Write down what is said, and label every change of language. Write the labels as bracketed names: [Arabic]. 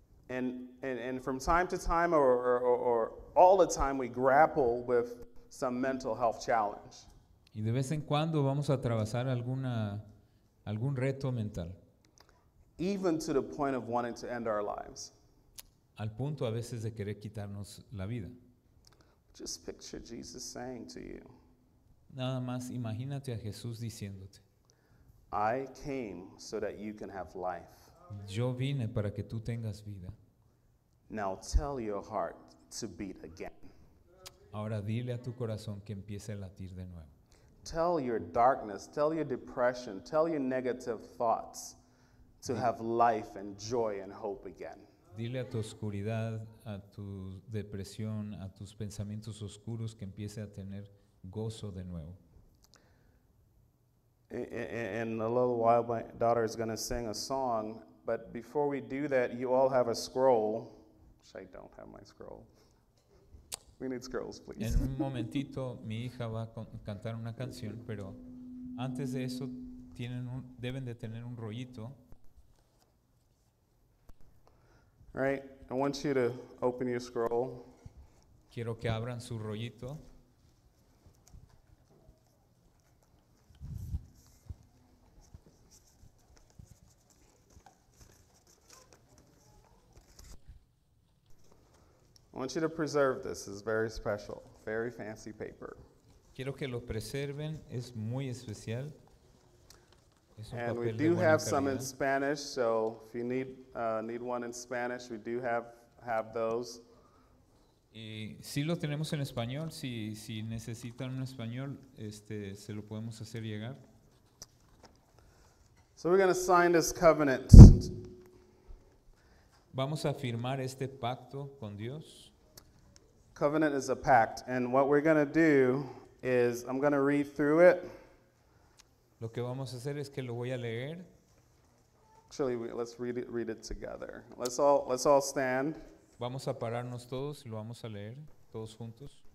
[English] And from time to time or all the time we grapple with some mental health challenge. [Spanish] Y de vez en cuando vamos a atravesar algún reto mental. [English] Even to the point of wanting to end our lives. [Spanish] Al punto a veces de querer quitarnos la vida. [English] Just picture Jesus saying to you. [Spanish] Nada más imagínate a Jesús diciéndote. [English] I came so that you can have life. [Spanish] Yo vine para que tú tengas vida. [English] Now tell your heart to beat again. [Spanish] Ahora dile a tu corazón que empiece a latir de nuevo. [English] Tell your darkness, tell your depression, tell your negative thoughts to have life and joy and hope again. [Spanish] Dile a tu oscuridad, a tu depresión, a tus pensamientos oscuros que empiece a tener gozo de nuevo. [English] In a little while my daughter is going to sing a song, but before we do that, you all have a scroll, which I don't have my scroll. We need scrolls, please. [Spanish] En un momentito, mi hija va a cantar una canción, pero antes de eso, deben de tener un rollito. [English] All right, I want you to open your scroll. [Spanish] Quiero que abran su rollito. [English] I want you to preserve this. It's very special, very fancy paper. [Spanish] Quiero que lo preserven. Es muy especial. [English] And we do have some in Spanish, so if you need one in Spanish, we do have those. [Spanish] Y si lo tenemos en español, si necesitan un español, se lo podemos hacer llegar. [English] So we're going to sign this covenant. [Spanish] Vamos a firmar este pacto con Dios. [English] Covenant is a pact, and what we're going to do is I'm going to read through it. [Spanish] Lo que vamos a hacer es que lo voy a leer. [English] Actually, let's read it together. Let's all stand. [Spanish] Vamos a pararnos todos y lo vamos a leer todos juntos.